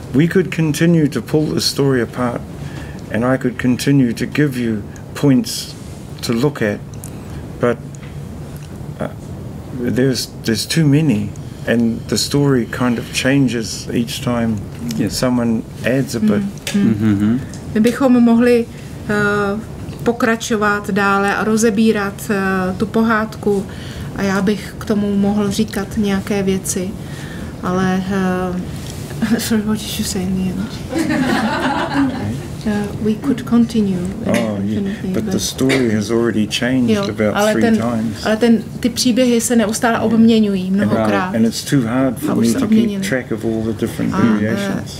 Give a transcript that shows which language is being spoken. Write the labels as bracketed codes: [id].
[en] We could continue to pull the story apart and I could continue to give you points to look at, but there's too many and the story kind of changes each time someone adds a bit. [cs] My bychom mohli pokračovat dále a rozebírat tu pohádku a já bych k tomu mohl říkat nějaké věci, ale [en] sorry, what did you say in the end? We could continue. But the story has already changed about three times. [cs] Ale ty příběhy se neustále obměňují mnohokrát. [en] And it's too hard for me to keep track of all the different variations.